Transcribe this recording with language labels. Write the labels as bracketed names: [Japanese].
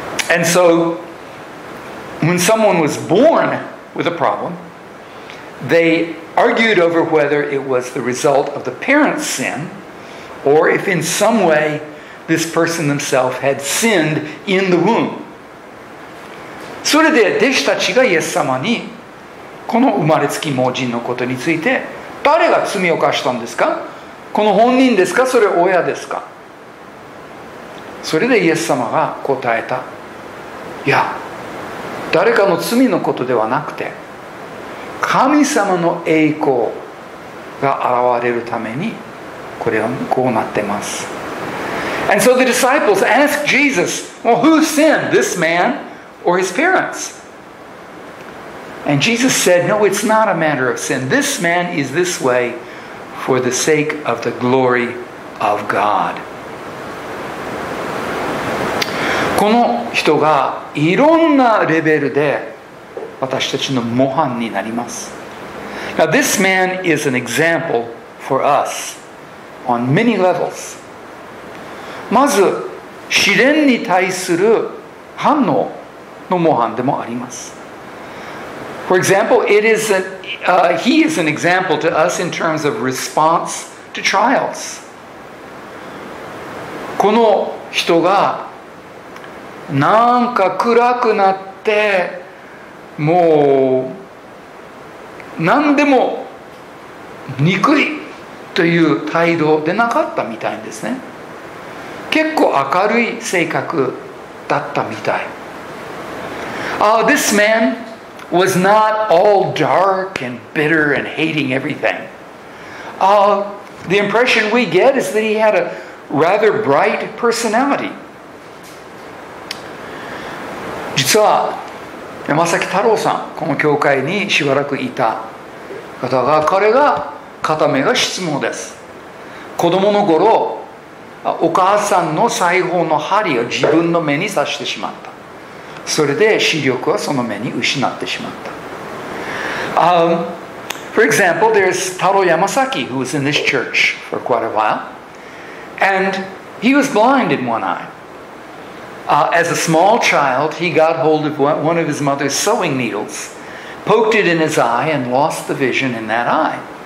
[English] And so, when someone was born with a problem, they argued over whether it was the result of the parent's sin, or if in some way this person themselves had sinned in the womb. [Japanese] それで弟子たちがイエス様にこの生まれつき盲人のことについて、誰が罪を犯したんですか、この本人ですか、それ親ですか。それでイエス様が答えた、いや誰かの罪のことではなくて、神様の栄光が現れるためにこれはこうなってます。 [English] And so the disciples asked Jesus, well, who sinned, this man or his parents? And Jesus said, no, it's not a matter of sin. This man is this way for the sake of the glory of God. [Japanese] この人がいろんなレベルで私たちの模範になります。 [English] Now this man is an example for us on many levels. [Japanese] まず試練に対する反応の模範でもあります。 [English] For example, he is an example to us in terms of response to trials. [Japanese] この人がなんか暗くなってもう何でも憎いという態度でなかったみたいですね。結構明るい性格だったみたい。 [English] This man was not all dark and bitter and hating everything. The impression we get is that he had a rather bright personality. [Japanese] 実は山崎太郎さん、この教会にしばらくいた方が、彼が片目が失明です。子供の頃お母さんの裁縫の針を自分の目に刺してしまった。それで視力はその目に失ってしまった。 [English] For example, there's Taro Yamasaki, who was in this church for quite a while, and he was blind in one eye. As a small child, he got hold of one of his mother's sewing needles, poked it in his eye, and lost the vision in that eye.